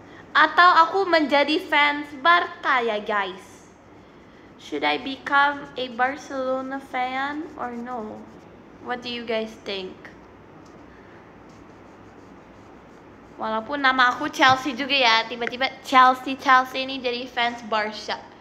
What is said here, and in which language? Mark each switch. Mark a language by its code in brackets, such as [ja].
[id] Atau aku menjadi fans Barca ya, guys. [en] Should I become a Barcelona fan or no? What do you guys think? [id] Walaupun nama aku Chelsea juga ya, tiba-tiba Chelsea ini jadi fans Barca.